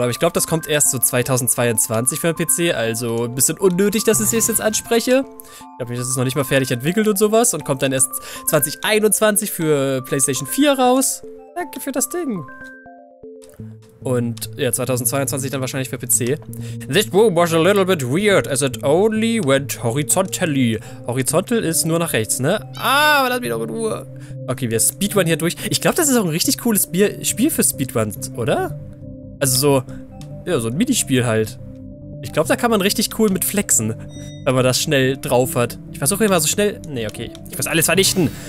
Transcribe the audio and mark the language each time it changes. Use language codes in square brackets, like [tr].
[de] Aber ich glaube, das kommt erst so 2022 für den PC. Also ein bisschen unnötig, dass ich es jetzt anspreche. Ich glaube, das ist noch nicht mal fertig entwickelt und sowas. Und kommt dann erst 2021 für PlayStation 4 raus. Danke für das Ding. Und ja, 2022 dann wahrscheinlich für PC. [en] This room was a little bit weird, as it only went horizontally. [de] Horizontal ist nur nach rechts, ne? Ah, aber lass mich doch in Ruhe. Okay, wir speedrun hier durch. Ich glaube, das ist auch ein richtig cooles Spiel für Speedruns, oder? Also so, ja, so ein Minispiel halt. Ich glaube, da kann man richtig cool mit flexen, wenn man das schnell drauf hat. Ich versuche immer so schnell... Nee, okay. Ich muss alles vernichten.